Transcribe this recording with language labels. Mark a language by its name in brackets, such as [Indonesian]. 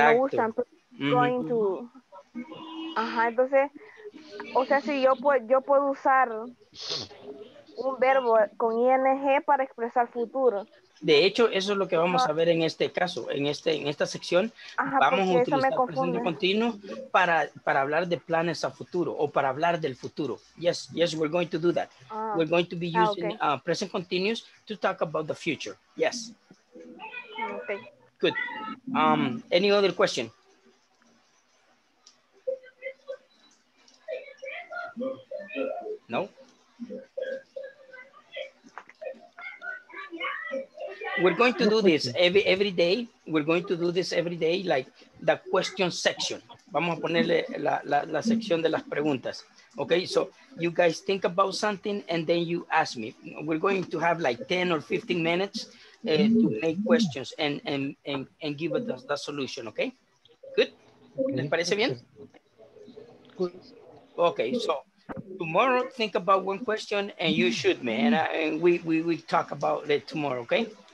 [Spanish] Ya no usan going to. Ajá, entonces, o sea, si yo puedo usar un verbo con ing para expresar futuro. De hecho, eso es lo que vamos a ver en este caso, en esta sección. Ajá, vamos a utilizar el presente continuo para hablar de planes a futuro o para hablar del futuro. [English] Yes, yes, we're going to do that. We're going to be using present continuous to talk about the future. Yes. Okay. Good. Any other question? No. We're going to do this every day. We're going to do this every day, like the question section. [Spanish] Vamos a ponerle la sección de las preguntas. [English] Okay, so you guys think about something and then you ask me. We're going to have like 10 or 15 minutes to make questions and give us the solution, okay? Good? [Spanish] ¿Les parece bien? [English] Okay, so tomorrow think about one question and you shoot me and we talk about it tomorrow, okay?